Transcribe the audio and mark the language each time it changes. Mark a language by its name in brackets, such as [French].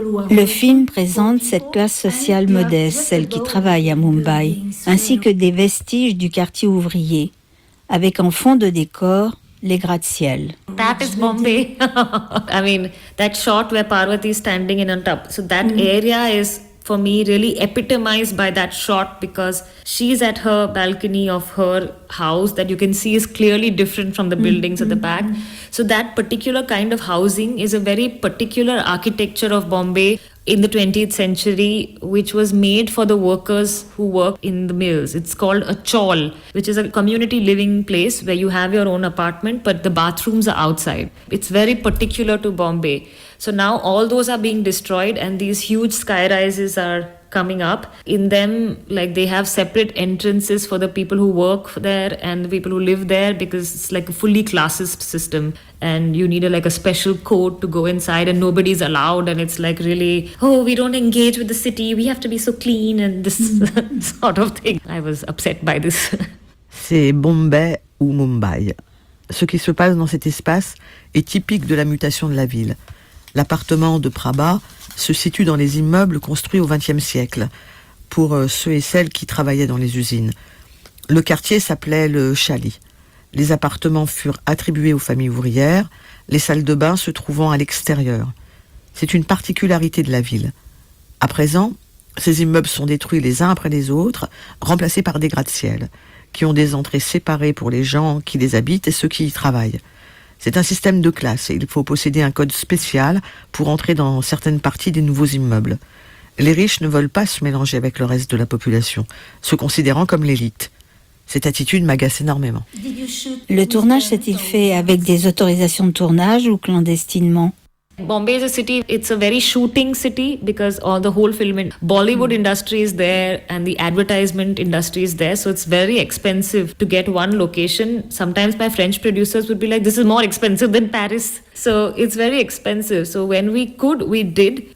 [French] Le film présente cette classe sociale modeste, celle qui travaille à Mumbai, ainsi que des vestiges du quartier ouvrier, avec en fond de décor les gratte-ciel. [English] That is Bombay. I mean, that shot where Parvati is standing in on top. So that area is, for me, really epitomized by that shot because she's at her balcony of her house that you can see is clearly different from the buildings at the back. So that particular kind of housing is a very particular architecture of Bombay in the 20th century, which was made for the workers who work in the mills. It's called a chawl, which is a community living place where you have your own apartment, but the bathrooms are outside. It's very particular to Bombay. So now all those are being destroyed and these huge sky rises are coming up. In them, like, they have separate entrances for the people who work there and the people who live there because it's like a fully classist system and you need a special code to go inside and nobody's allowed and it's like really, oh, we don't engage with the city, we have to be so clean and this sort of thing. I was upset by this. [French] C'est Bombay ou Mumbai. Ce qui se passe dans cet espace est typique de la mutation de la ville. L'appartement de Prabha se situe dans les immeubles construits au XXe siècle, pour ceux et celles qui travaillaient dans les usines. Le quartier s'appelait le Chali. Les appartements furent attribués aux familles ouvrières, les salles de bain se trouvant à l'extérieur. C'est une particularité de la ville. À présent, ces immeubles sont détruits les uns après les autres, remplacés par des gratte-ciel, qui ont des entrées séparées pour les gens qui les habitent et ceux qui y travaillent. C'est un système de classe et il faut posséder un code spécial pour entrer dans certaines parties des nouveaux immeubles. Les riches ne veulent pas se mélanger avec le reste de la population, se considérant comme l'élite. Cette attitude m'agace énormément. Le tournage s'est-il fait avec des autorisations de tournage ou clandestinement ? [English] Bombay is a city, it's a very shooting city because all the whole film, Bollywood industry is there and the advertisement industry is there. So it's very expensive to get one location. Sometimes my French producers would be like, this is more expensive than Paris. So it's very expensive. So when we could, we did.